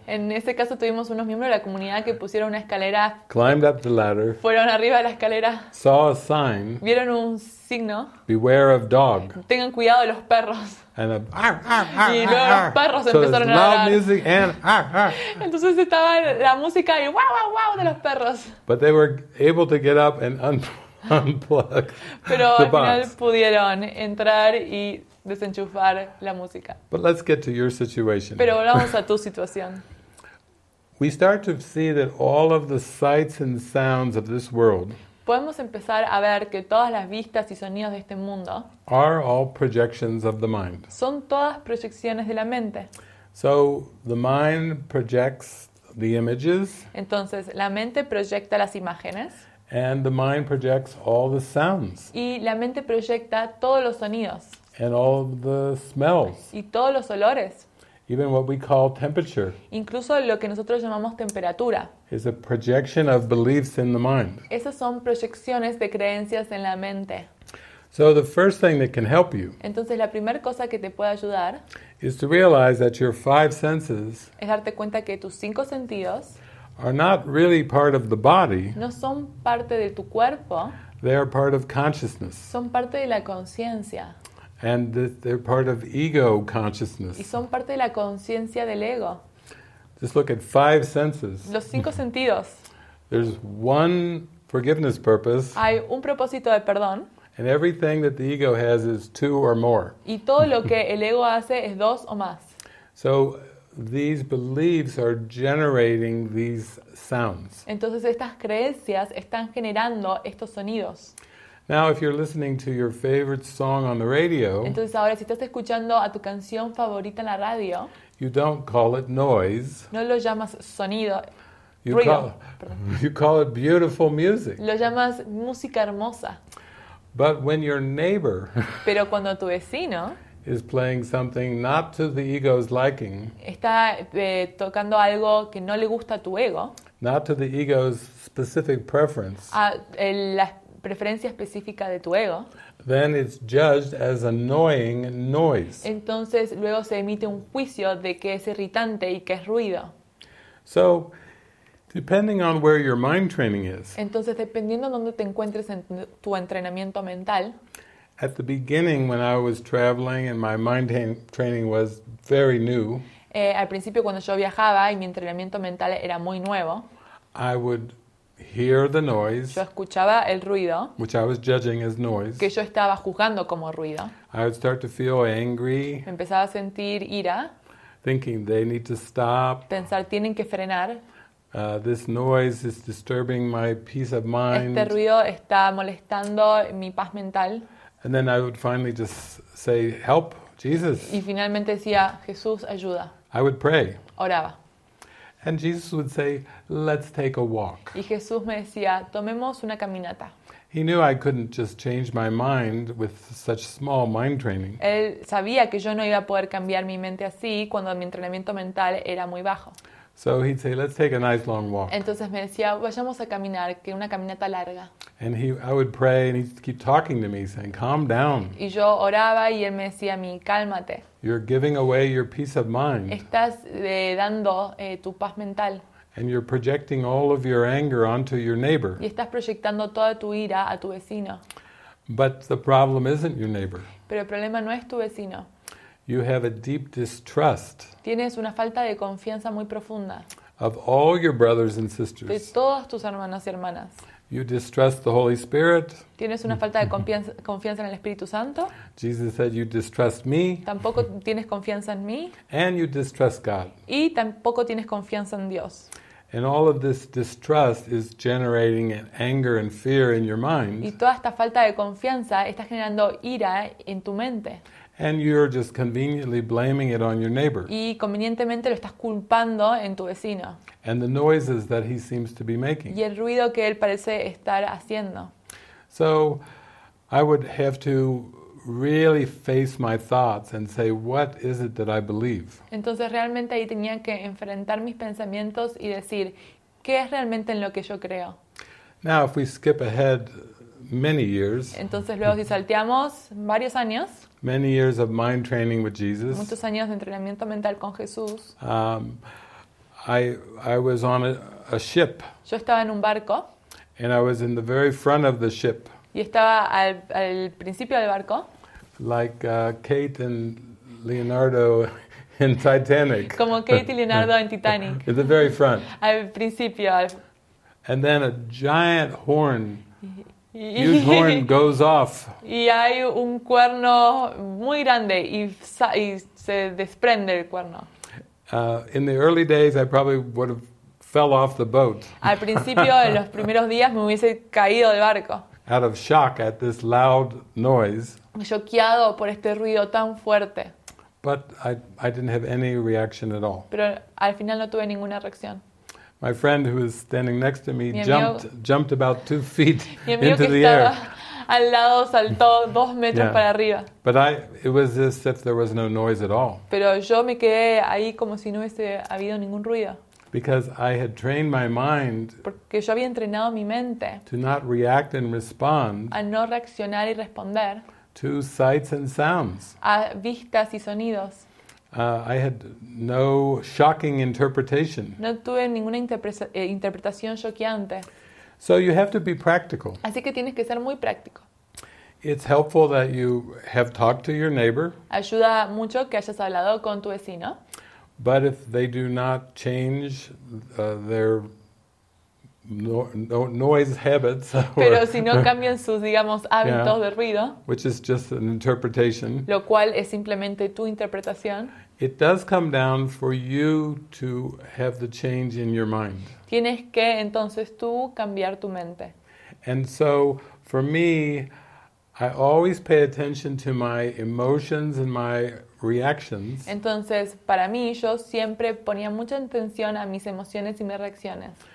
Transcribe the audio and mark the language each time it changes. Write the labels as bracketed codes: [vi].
[es] En ese caso tuvimos unos miembros de la comunidad que pusieron una escalera. [en] Climbed up the ladder. [es] Fueron arriba de la escalera. [en] Saw a sign. [es] Vieron un signo. [en] Beware of dog. [es] Tengan cuidado de los perros. [en] And [es] y luego los perros [en] so [es] empezaron [en] loud [es] a ladrar. [en] Music and [es] entonces estaba la música y wow wow wow de los perros. [en] But they were able to get up and unplug. [es] Pero [en] the [es] al final [en] box. [es] Pudieron entrar y desenchufar la música. [en] But let's get to your situation. [es] Pero volvamos a tu situación. [en] We start to see that all of the sights and sounds of this world. [es] Podemos empezar a ver que todas las vistas y sonidos de este mundo [en] are all projections of the mind. [es] Son todas proyecciones de la mente. [en] So the mind projects the images. [es] Entonces la mente proyecta las imágenes. [en] And the mind projects all the sounds. [es] Y la mente proyecta todos los sonidos. [en] And all the smells. [es] Y todos los olores. [en] Even what we call temperature. [es] Incluso lo que nosotros llamamos temperatura. [en] Is a projection of beliefs in the mind. [es] Esas son proyecciones de creencias en la mente. [en] So the first thing that can help you. [es] Entonces la primera cosa que te puede ayudar. [en] Is to realize that your five senses. [es] Es darte cuenta que tus cinco sentidos. [en] Are not really part of the body. [es] No son parte de tu cuerpo. [en] They are part of consciousness. [es] Son parte de la conciencia. [en] And they're part of ego consciousness. [es] Y son parte de la conciencia del ego. [en] Just look at five senses. [es] Los cinco sentidos. [en] There's one forgiveness purpose. [es] Hay un propósito de perdón. [en] And everything that the ego has is two or more. [es] Y todo lo que el ego hace es dos o más. [en] So these beliefs are generating these sounds. [es] Entonces estas creencias están generando estos sonidos. [en] Now, if you're listening to your favorite song on the radio, [es] entonces ahora si estás escuchando a tu canción favorita en la radio, [en] you don't call it noise. [es] No lo llamas sonido. [en] You call it beautiful music. [es] Lo llamas música hermosa. [en] But when your neighbor, [es] pero cuando tu vecino, [en] is playing something not to the ego's liking, [es] está tocando algo que no le gusta a tu ego, [en] not to the ego's specific preference, [es] preferencia específica de tu ego. [en] Then it's judged as annoying noise. [es] Entonces luego se emite un juicio de que es irritante y que es ruido. [en] So, depending on where your mind training is. [es] Entonces dependiendo de dónde te encuentres en tu entrenamiento mental. [en] At the beginning when I was traveling and my mind training was very new. [es] Al principio cuando yo viajaba y mi entrenamiento mental era muy nuevo. [en] I would hear the noise. [es] Yo escuchaba el ruido. [en] Which I was judging as noise. [es] Que yo estaba juzgando como ruido. [en] I would start to feel angry. [es] Empezaba a sentir ira. [en] Thinking they need to stop. [es] Pensar tienen que frenar. [en] This noise is disturbing my peace of mind. [es] Este ruido está molestando mi paz mental. [en] And then I would finally just say, "Help, Jesus." [es] Y finalmente decía, "Jesús, ayuda." [en] I would pray. [es] Oraba. [en] And Jesus would say, "Let's take a walk." [es] Y Jesús me decía, "Tomemos una caminata." [en] He knew I couldn't just change my mind with such small mind training. [es] Él sabía que yo no iba a poder cambiar mi mente así cuando mi entrenamiento mental era muy bajo. [en] So he'd say, let's take a nice long walk. [es] Entonces me decía, vayamos a caminar, que una caminata larga. [en] And I would pray and he'd keep talking to me, saying, calm down. [es] Y yo oraba y él me decía a mí, cálmate. [en] You're giving away your peace of mind. [es] Estás dando tu paz mental. [en] And you're projecting all of your anger onto your neighbor. [es] Y estás proyectando toda tu ira a tu vecino. [en] But the problem isn't your neighbor. [es] Pero el problema no es tu vecino. [en] You have a deep distrust. [es] Tienes una falta de confianza muy profunda. [en] Of all your brothers and sisters. [es] De todas tus hermanos y hermanas. [en] You distrust the Holy Spirit. [es] Tienes una falta de confianza en el Espíritu Santo. [en] Jesus said you distrust me. [es] Tampoco tienes confianza en mí. [en] And you distrust God. [es] Y tampoco tienes confianza en Dios. [en] And all of this distrust is generating an anger and fear in your mind. [es] Y toda esta falta de confianza está generando ira en tu mente. [en] And you're just conveniently blaming it on your neighbor. [es] Y convenientemente lo estás culpando en tu vecino. [en] And the noises that he seems to be making. [es] Y el ruido que él parece estar haciendo. [en] So I would have to really face my thoughts and say, what is it that I believe? [es] Entonces realmente ahí tenía que enfrentar mis pensamientos y decir, ¿qué es realmente en lo que yo creo? [en] Now if we skip ahead many years. [es] Entonces luego si salteamos varios años. [en] Many years of mind training with Jesus. [es] Muchos años de entrenamiento mental con Jesús. [en] I was on a ship. [es] Yo estaba en un barco. [en] And I was in the very front of the ship. [es] Y estaba al principio del barco. [en] Like Kate and Leonardo in Titanic. [es] Como Kate y Leonardo en Titanic. [en] In the very front. [es] Al principio. [en] And then a giant horn. Huge horn goes off. [es] Y hay un cuerno muy grande y se desprende el cuerno. [en] In the early days, I probably would have fell off the boat. [es] Al principio, en los primeros días, me hubiese caído del barco. [en] Out of shock at this loud noise. [es] Shockeado por este ruido tan fuerte. [en] But I didn't have any reaction at all. [es] Pero al final no tuve ninguna reacción. [en] My friend who was standing next to me jumped about 2 feet into [es] que [en] the air. [es] Al lado saltó 2 metros yeah. Para arriba. [en] But it was as if there was no noise at all. [es] Pero yo me quedé ahí como si no hubiese habido ningún ruido. [en] Because I had trained my mind. [es] Porque yo había entrenado mi mente. [en] To not react and respond. [es] A no reaccionar y responder. [en] To sights and sounds. [es] A vistas y sonidos. [en] I had no shocking interpretation. [es] No tuve ninguna interpretación shockeante. [en] So you have to be practical. [es] Así que tienes que ser muy práctico. [en] It's helpful that you have talked to your neighbor. [es] Ayuda mucho que hayas hablado con tu vecino. [en] But if they do not change their noise habits, [es] pero si no cambian sus digamos hábitos yeah, de ruido, [en] which is just an interpretation, [es] lo cual es simplemente tu interpretación, [en] it does come down for you to have the change in your mind. [es] Tienes que entonces tú cambiar tu mente. [en] And so for me, I always pay attention to my emotions and my reactions. [es] Entonces para mí yo siempre ponía mucha atención a mis emociones y mis reacciones.